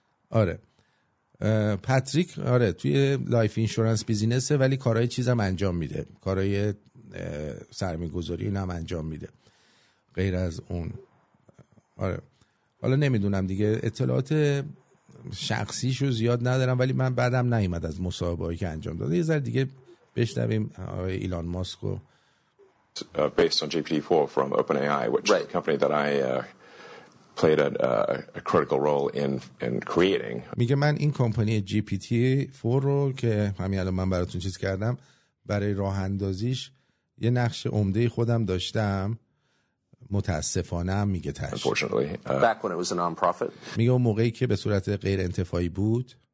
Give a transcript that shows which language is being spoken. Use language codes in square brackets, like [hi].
[fa] آره پاتریک، آره توی لایف اینشورنس بیزینسه ولی کارهای چیزم انجام میده، کارهای سرمایه‌گذاری هم انجام میده غیر از اون. آره حالا نمیدونم دیگه، اطلاعات شخصیشو زیاد ندارم ولی من بعدم نیومد از مصاحبه‌ای که انجام داده. یه ذره دیگه بشنویم آقای ایلان ماسکو. [en] Based on GPT-4 from OpenAI, which right. the company that I played a critical role in creating. [fa] میگه من این کمپانی GPT-4 رو که همین الان من براتون چیز کردم، برای راه اندازیش یه نقش عمده خودم داشتم. متاسفانه میگه تاش. [en] Unfortunately, back when it was a non-profit. [fa] میگه اون موقعی که به صورت غیر انتفاعی بود.